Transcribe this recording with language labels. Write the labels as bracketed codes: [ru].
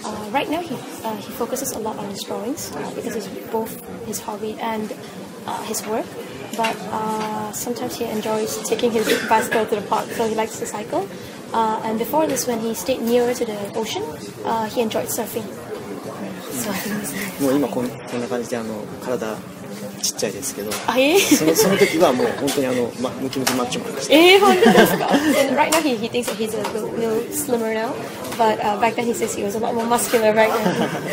[en] Right now he focuses a lot on his drawings because it's both his hobby and his work. But sometimes he enjoys taking his bicycle to the park, so he likes to cycle. And before this, when he stayed nearer to the ocean, he enjoyed surfing. [ja] もう今こんな感じで体ちっちゃいですけど、あ、いい。その時はもう本当にムキムキマッチョマンでした。本当ですか。 [en] And right now he thinks that he's a little slimmer now, but back then he says he was a lot more muscular right now.